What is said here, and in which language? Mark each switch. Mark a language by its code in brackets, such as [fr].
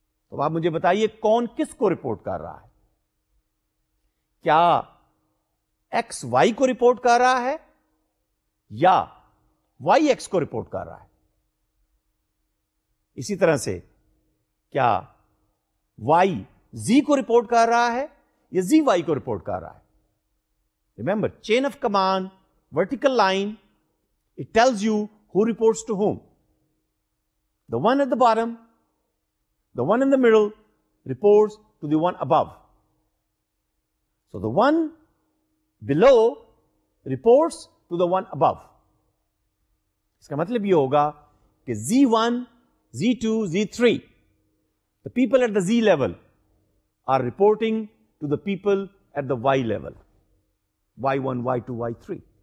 [ur] تو آپ مجھے بتائیے کون کس کو رپورٹ کر رہا ہے, کیا ایکس وائی کو رپورٹ کر رہا ہے یا وائی ایکس کو رپورٹ کر رہا ہے؟ اسی طرح سے کیا وائی زی کو رپورٹ کر رہا ہے یا زی وائی کو رپورٹ کر رہا ہے؟ [en] Remember, chain of command vertical line, it tells you who reports to whom. The one at the bottom, the one in the middle reports to the one above. So the one below reports to the one above. [ur] Iska matlab ye hoga ki [en] Z1, Z2, Z3, the people at the Z level are reporting to the people at the Y level, Y1, Y2, Y3.